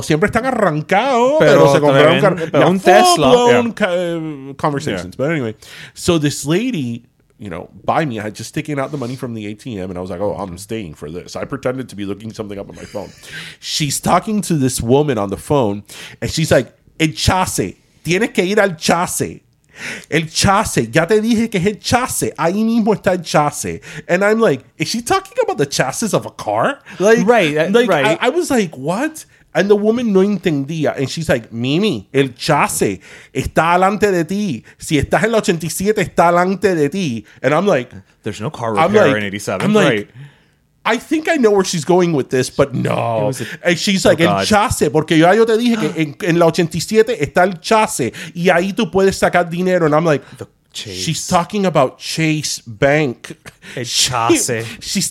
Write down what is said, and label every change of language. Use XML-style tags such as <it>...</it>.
<es>Siempre están arrancados, pero se compró un carro. Pero un Tesla.</es> <en>Conversations. Yeah. But anyway, so this lady, you know, by me, I had just taken out the money from the ATM, and I was like, oh, I'm staying for this. I pretended to be looking something up on my phone. She's talking to this woman on the phone, and she's like,</en> <es>el chase. Tienes que ir al chase. El chase. Ya te dije que es el chase. Ahí mismo está el chase.</es> <en>And I'm like, is she talking about the chassis of a car? Like, right. I was like, what? And the woman</en> <es>no entendía.</es> <en>And she's like,</en> <es>Mimi, el chase está delante de ti. Si estás en la 87, está delante de ti.</es> <en>And I'm like, there's no car repair in 87. I'm like, I think I know where she's going with this, but no. And she's like,</en> <es>el chase, porque ya yo te dije que en la 87 está el chase, y ahí tú puedes sacar dinero.</es> <en>And I'm like, she's talking about Chase Bank.</en> <es>El chase.</es> <en>She's</en>